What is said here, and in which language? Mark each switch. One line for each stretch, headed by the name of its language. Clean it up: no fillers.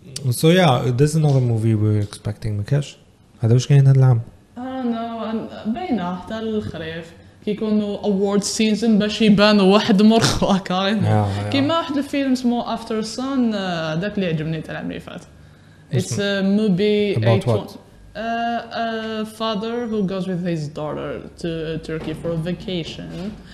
English: So yeah, this is another movie we're expecting. Mikesh, how do you think it'll land? I don't know.
Arabic: بين حتى الخريف كيكونوا
English: awards season
Arabic: باش يبانوا واحد مرخوا كاين. كيما واحد الفيلم اسمه After Sun داك اللي عجبني تاع العام اللي فات.
English: It's a movie about what? A father who goes with his daughter to Turkey for a vacation.